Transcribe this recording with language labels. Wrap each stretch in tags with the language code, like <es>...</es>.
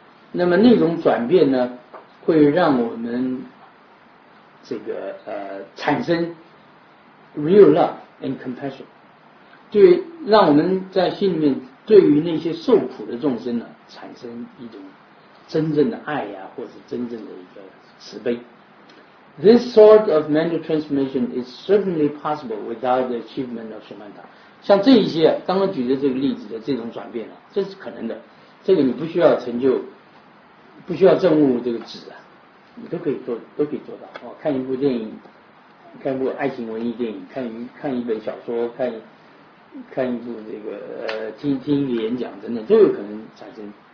<zh>那么那种转变呢，会让我们这个产生</zh> <en>real love and compassion，</en> <zh>对，让我们在心里面对于那些受苦的众生呢，产生一种真正的爱呀，或者真正的一个慈悲。</zh> <en>This sort of mental transformation is certainly possible without the achievement of shamatha。</en> <zh>像这一些刚刚举的这个例子的这种转变啊，这是可能的。这个你不需要成就，不需要证悟这个止啊，你都可以做，都可以做到。哦，看一部电影，看一部爱情文艺电影，看一本小说，看一部这个听一个演讲等等，都有可能产生。</zh>